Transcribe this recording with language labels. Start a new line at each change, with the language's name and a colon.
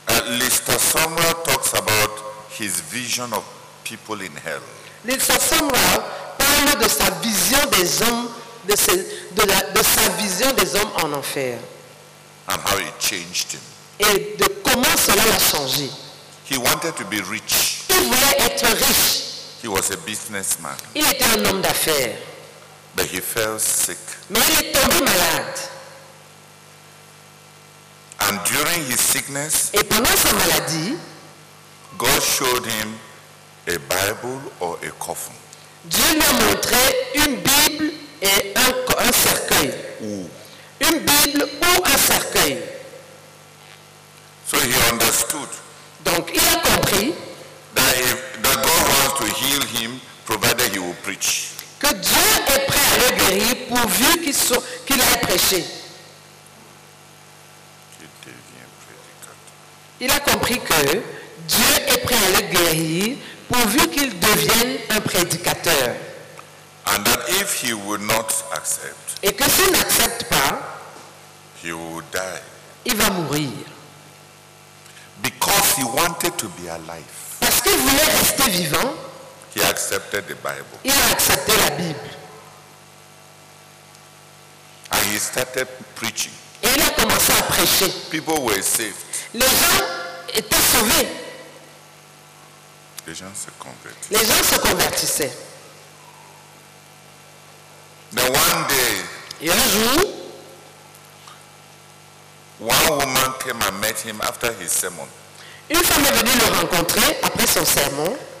English: Lister Sumrall talks about his vision of people in hell.
French: Lister Sumrall parle de sa vision des hommes, de sa vision des hommes en enfer.
English: And how it changed him.
French: Et de comment cela l'a changé.
English: He wanted to be rich.
French: Il voulait être riche.
English: He was a businessman.
French: Il était un homme d'affaires.
English: But he fell sick.
French: Mais il est tombé malade.
English: And during his sickness,
French: et pendant sa maladie,
English: God showed him a Bible or a coffin.
French: Dieu lui a montré une Bible et un cercueil. Ooh. Une Bible ou un cercueil.
English: So he understood.
French: Donc il a compris
English: that God wants to heal him provided he will preach.
French: Que Dieu est prêt à le guérir pourvu qu'il ait prêché. Il devient prédicateur. Il a compris que Dieu est prêt à le guérir pourvu qu'il devienne un prédicateur.
English: And that if he would not accept,
French: et que s'il n'accepte pas,
English: he would die.
French: Il va mourir.
English: Because he wanted to be alive.
French: Parce qu'il voulait rester vivant.
English: He accepted the Bible.
French: Il a accepté la Bible.
English: And he started preaching.
French: Et il a commencé à prêcher.
English: People were saved.
French: Les gens étaient sauvés. Les gens se convertissaient.
English: Then one day,
French: et un jour,
English: one woman came and met him after his sermon.
French: Une femme est venue le rencontrer après son sermon.